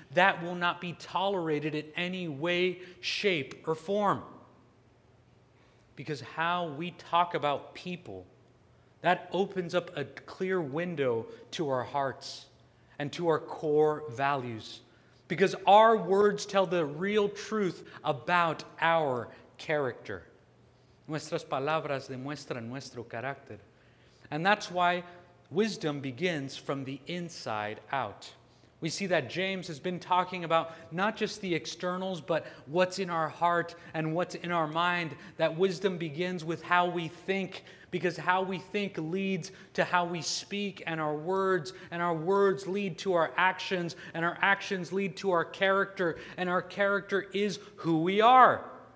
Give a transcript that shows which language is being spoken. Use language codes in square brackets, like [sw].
[en] That will not be tolerated in any way, shape, or form. Because how we talk about people, That opens up a clear window to our hearts and to our core values, because our words tell the real truth about our character. [es] Nuestras palabras demuestran nuestro carácter. [en] And that's why wisdom begins from the inside out. We see that James has been talking about not just the externals, but what's in our heart and what's in our mind. That wisdom begins with how we think, because how we think leads to how we speak and our words lead to our actions, and our actions lead to our character, and our character is who we are.